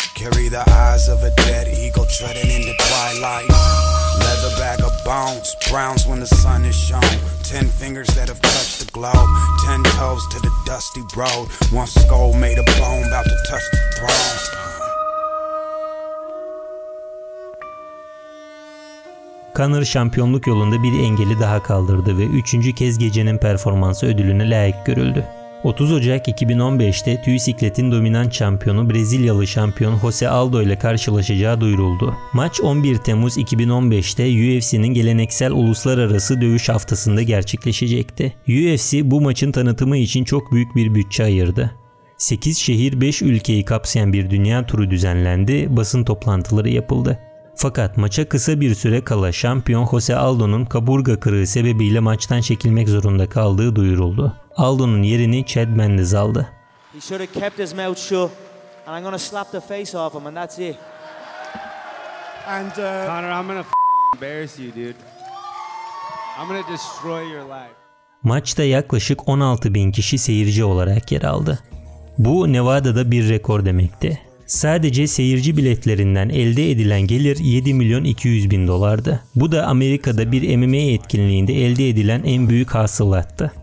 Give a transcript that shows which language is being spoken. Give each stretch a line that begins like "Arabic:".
English: Carry the eyes of a dead eagle treading in the twilight. Leather bag of bones, browns when the sun is shone. 10 fingers that have touched the globe. 10 toes to the dusty road. One skull made of bone about to touch the throne.
Turkish: Conor şampiyonluk yolunda bir engeli daha kaldırdı ve 3. kez gecenin performansı ödülüne layık görüldü. 30 Ocak 2015'te tüy sikletin dominant şampiyonu Brezilyalı şampiyon Jose Aldo ile karşılaşacağı duyuruldu. Maç 11 Temmuz 2015'te UFC'nin geleneksel uluslararası dövüş haftasında gerçekleşecekti. UFC bu maçın tanıtımı için çok büyük bir bütçe ayırdı. 8 şehir 5 ülkeyi kapsayan bir dünya turu düzenlendi, basın toplantıları yapıldı. Fakat maça kısa bir süre kala şampiyon Jose Aldo'nun kaburga kırığı sebebiyle maçtan çekilmek zorunda kaldığı duyuruldu. Aldo'nun yerini Chad Mendes aldı.
English: He should have kept his mouth shut and I'm gonna slap the face off him and that's it. And Conor, I'm gonna embarrass you, dude. I'm gonna destroy your life.
Turkish: Maçta yaklaşık 16 bin kişi seyirci olarak yer aldı. Bu Nevada'da bir rekor demekti. Sadece seyirci biletlerinden elde edilen gelir 7 milyon 200 bin dolardı. Bu da Amerika'da bir MMA etkinliğinde elde edilen en büyük hasılattı.